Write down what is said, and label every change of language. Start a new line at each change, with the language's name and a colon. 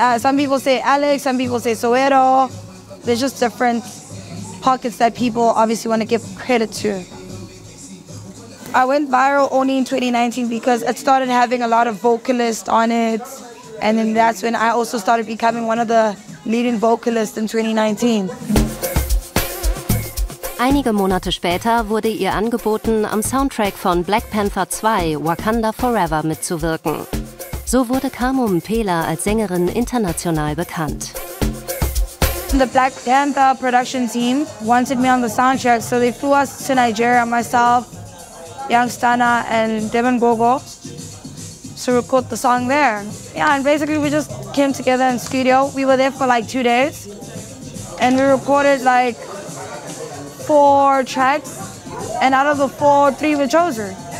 English: Some people say Alex, some people say Soero. There's just different pockets that people obviously want to give credit to. I went viral only in 2019 because it started having a lot of vocalists on it. And then that's when I also started becoming one of the leading vocalists in 2019.
German: Einige Monate später wurde ihr angeboten, am Soundtrack von Black Panther 2, Wakanda Forever, mitzuwirken. So wurde Kamo Mpela als Sängerin international bekannt.
English: The Black Panther production team wanted me on the soundtrack, so they flew us to Nigeria, myself, Young Stana and Devon Gogo, to record the song there. Yeah, and basically we just came together in studio. We were there for like 2 days and we recorded like 4 tracks, and out of the 4, 3 were chosen.